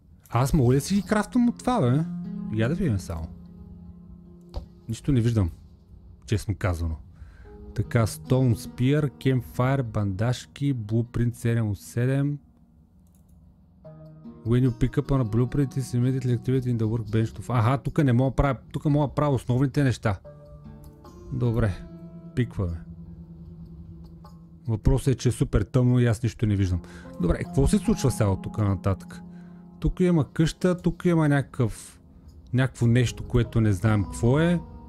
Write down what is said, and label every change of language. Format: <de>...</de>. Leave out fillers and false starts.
<bg>Аз мога ли да си ги крафтам от това, бе? Я да видим само. Нищо не виждам. Честно казано. Така, Stone Spear, Campfire, бандашки, блупринт 7 от 7.</bg> <en>When you pick up on a blueprint, it's immediately activated in the workbench.</en> <bg>Аха, тук не мога правя. Тук мога правя основните неща. Добре, пикваме. Въпросът е, че е супер тъмно и аз нищо не виждам. Добре, какво се случва сега тук нататък? Тук има къща, тук има някакво нещо, което не знаем какво е.</bg>